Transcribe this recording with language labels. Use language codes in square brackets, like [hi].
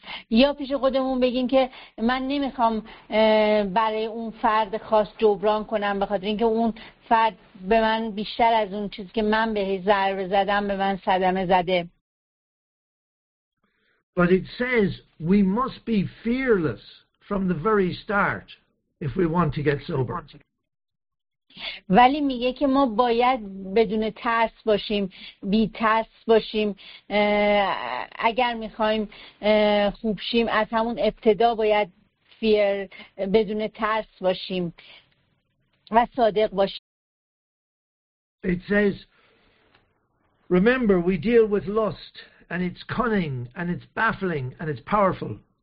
[fa] یا پیش خودمون بگیم که من نمیخوام برای اون فرد خاص جبران کنم، به خاطر اینکه اون فرد به من بیشتر از اون چیزی که من به ضربه زدم به من صدمه زده. [en] But it says we must be fearless from the very start if we want to get sober. [fa] ولی میگه که ما باید بدون ترس باشیم، بی ترس باشیم، اگر میخوایم خوب شیم از همون ابتدا باید فیر بدون ترس باشیم و صادق باشیم. [en] It says remember we deal with lust and it's cunning and it's baffling and it's powerful.